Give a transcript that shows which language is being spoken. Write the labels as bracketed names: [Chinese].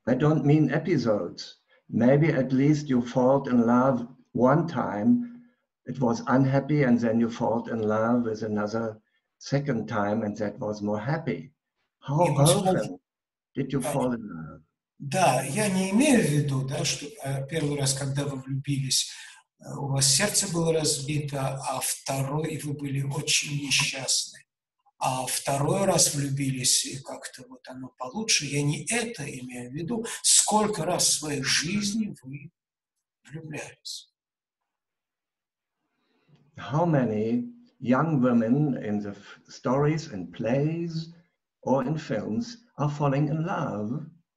[English] I don't mean episodes. Maybe at least you fall in love one time, it was unhappy, and then you fall in love with another second time, and that was more happy. How often did you fall in love? [Russian] Да, я не имею в виду, да, что первый раз, когда вы влюбились, у вас сердце было разбито, а второй, и вы были очень несчастны. А второй раз влюбились, и как-то вот оно получше. Я не это имею в виду. Сколько раз в своей жизни вы влюблялись? [English] How many young women in the stories and plays or in films are falling in love?